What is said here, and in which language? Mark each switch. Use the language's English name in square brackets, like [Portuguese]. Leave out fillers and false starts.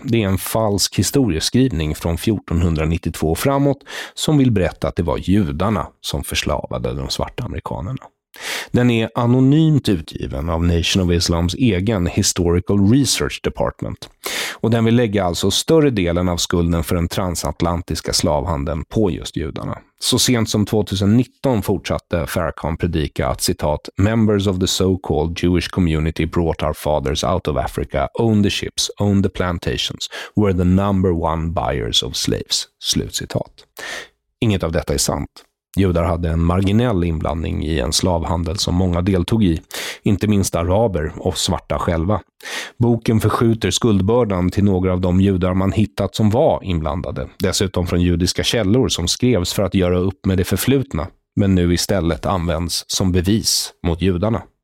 [Swedish] Det är en falsk historieskrivning från 1492 framåt som vill berätta att det var judarna som förslavade de svarta amerikanerna. Den är anonymt utgiven av Nation of Islams egen Historical Research Department. Och den vill lägga alltså större delen av skulden för den transatlantiska slavhandeln på just judarna. Så sent som 2019 fortsatte Farrakhan predika att, citat, [English] "members of the so-called Jewish community brought our fathers out of Africa, owned the ships, owned the plantations, were the number one buyers of slaves." [Swedish] Slutcitat. Inget av detta är sant. Judar hade en marginell inblandning i en slavhandel som många deltog i, inte minst araber och svarta själva. Boken förskjuter skuldbördan till några av de judar man hittat som var inblandade, dessutom från judiska källor som skrevs för att göra upp med det förflutna, men nu istället används som bevis mot judarna.